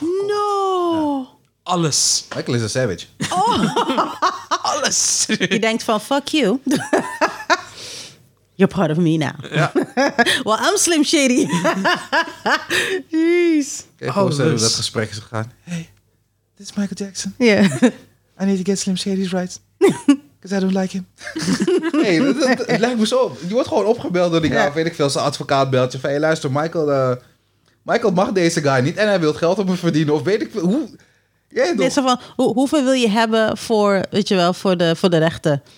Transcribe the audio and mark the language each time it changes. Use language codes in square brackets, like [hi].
[nl] No! Ja. Alles. Michael is een savage. Oh. Alles. Je denkt van, [en] fuck you. You're part of me now. [nl] Ja. [en] Well, I'm Slim Shady. Jeez. [nl] Kijk, hoe zijn we dat gesprek is gegaan? [en] Hey, this is Michael Jackson. Yeah. I need to get Slim Shady's rights. Because I don't like him. Hey, [nl] het lijkt me zo. Je wordt gewoon opgebeld door die guy. Weet ik veel. Zijn advocaat belt je. Van, hey, luister, Michael mag deze guy niet. En hij wil geld op me verdienen. Of weet ik veel. Hoeveel wil je hebben voor de rechten?